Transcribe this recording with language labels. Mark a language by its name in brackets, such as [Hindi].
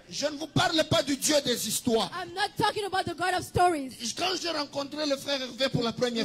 [French] Je ne vous parle pas du Dieu des histoires. [English] I'm not talking about the God of stories. [French] Quand j'ai rencontré le frère Hervé pour la première